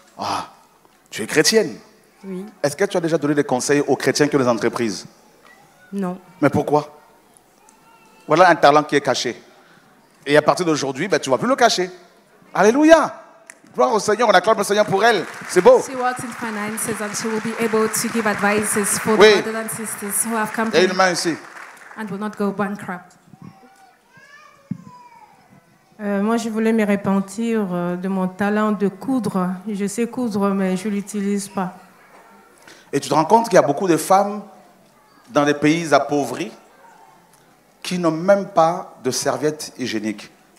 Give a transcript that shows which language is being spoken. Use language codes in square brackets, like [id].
[fr] Ah, tu es chrétienne? Oui. Est-ce que tu as déjà donné des conseils aux chrétiens que les entreprises? Non. Mais pourquoi? Voilà un talent qui est caché. Et à partir d'aujourd'hui, ben, tu ne vas plus le cacher. Alléluia! Gloire au Seigneur, on acclame le Seigneur pour elle. C'est beau. [en] She works in finances and she will be able to give advices for the brothers and sisters who have come. [fr] Il y a une main ici. [en] And will not go bankrupt. [fr] Moi, je voulais me repentir de mon talent de coudre. Je sais coudre, mais je ne l'utilise pas. Et tu te rends compte qu'il y a beaucoup de femmes dans les pays appauvris qui n'ont même pas de serviette hygiénique.